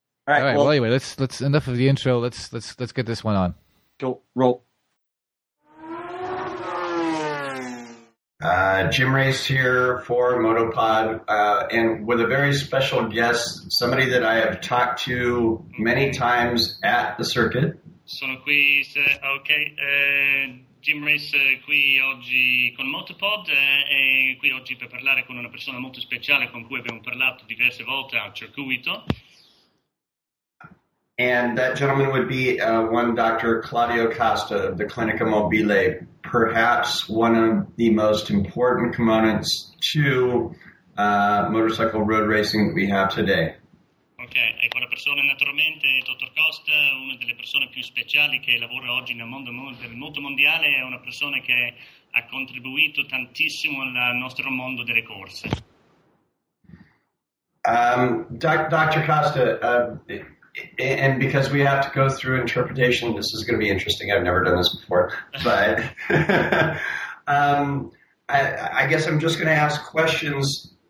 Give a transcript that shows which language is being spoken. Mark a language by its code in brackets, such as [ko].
[en] All right. Well, anyway, let's enough of the intro. Let's get this one on. Go. Roll. Jim Race here for Motopod, and with a very special guest, somebody that I have talked to many times at the circuit. [it] Sono qui, okay, Jim Race qui oggi con Motopod, e qui oggi per parlare con una persona molto speciale con cui abbiamo parlato diverse volte al circuito. [en] And that gentleman would be one Dr. Claudio Costa of the Clinica Mobile, perhaps one of the most important components to motorcycle road racing that we have today. [it] Okay, e quella persona naturalmente Dr. Costa, una delle persone più speciali che lavora oggi nel mondo del moto mondiale, è una persona che ha contribuito tantissimo al nostro mondo delle corse. [en] Dr. Costa, and because we have to go through interpretation, this is going to be interesting. I've never done this before, but I guess I'm just going to ask questions.